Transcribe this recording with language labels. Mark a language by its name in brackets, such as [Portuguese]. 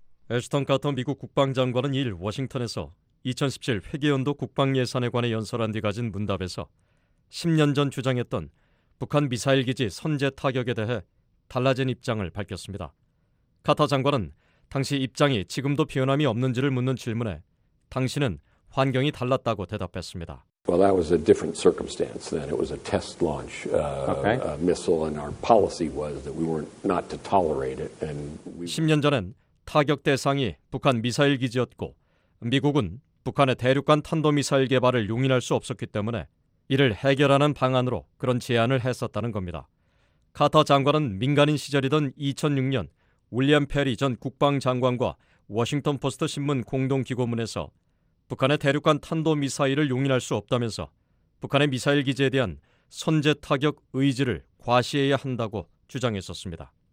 [Korean] 애쉬턴 카터 미국 국방장관은 2일 워싱턴에서 2017 회계연도 국방예산에 관해 연설한 뒤 가진 문답에서 10년 전 주장했던 북한 미사일 기지 선제 타격에 대해 달라진 입장을 밝혔습니다. 카터 장관은 당시 입장이 지금도 변함이 없는지를 묻는 질문에 당시는 환경이 달랐다고 대답했습니다. [English] Well, that was a different circumstance then. It was a test launch missile, and our policy was that we weren't not to tolerate it. And [Korean] 10년 전엔 타격 대상이 북한 미사일 기지였고 미국은 북한의 대륙간 탄도미사일 개발을 용인할 수 없었기 때문에 이를 해결하는 방안으로 그런 제안을 했었다는 겁니다. 카터 장관은 민간인 시절이던 2006년 윌리엄 페리 전 국방장관과 워싱턴포스트 신문 공동기고문에서 북한의 대륙간 탄도미사일을 용인할 수 없다면서 북한의 미사일 기지에 대한 선제 타격 의지를 과시해야 한다고 주장했었습니다.